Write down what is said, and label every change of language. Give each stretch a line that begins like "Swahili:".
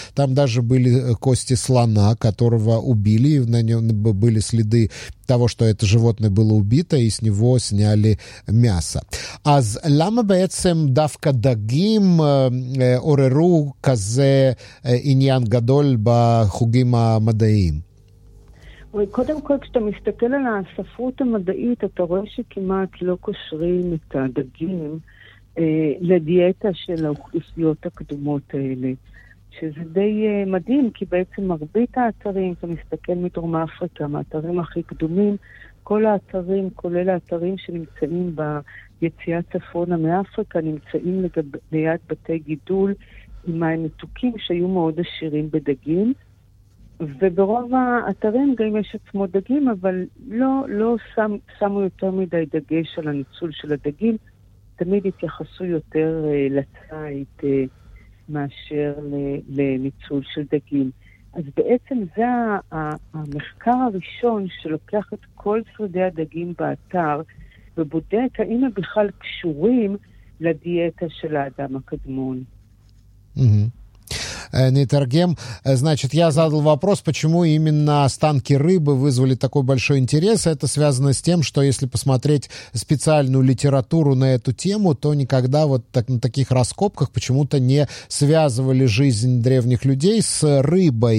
Russian: Там даже были кости слона, которого убили, и на нем были следы того, что это животное было убито, и с него сняли мясо.
Hebrew: Аз лама бецем давка дагим ореру казе иньян гадоль ба хугима мадаим? קודם כל, כשאתה מסתכל על הספרות המדעית, אתה רואה שכמעט לא קושרים את הדגים לדיאטה של האוכלוסיות הקדומות האלה. שזה די מדהים, כי בעצם מרבית האתרים, אתה מסתכל מדרום אפריקה, מהאתרים הכי קדומים, כל האתרים, כולל האתרים שנמצאים ביציאה צפונה מאפריקה, נמצאים ליד בתי גידול עם מים מתוקים שהיו מאוד עשירים בדגים. וברוב האתרים גם יש עצמו דגים, אבל לא שמו יותר מדי דגש על הניצול של הדגים. תמיד התייחסו יותר לציד מאשר לניצול של דגים. אז בעצם זה המחקר הראשון שלוקח את כל שרידי הדגים באתר ובודק האם הם בכלל קשורים לדיאטה של האדם הקדמון.
Russian: Нейтаргем, значит, я задал вопрос, почему именно останки рыбы вызвали такой большой интерес. Это связано с тем, что если посмотреть специальную литературу на эту тему, то никогда вот так, на таких раскопках почему-то не связывали жизнь древних людей с рыбой.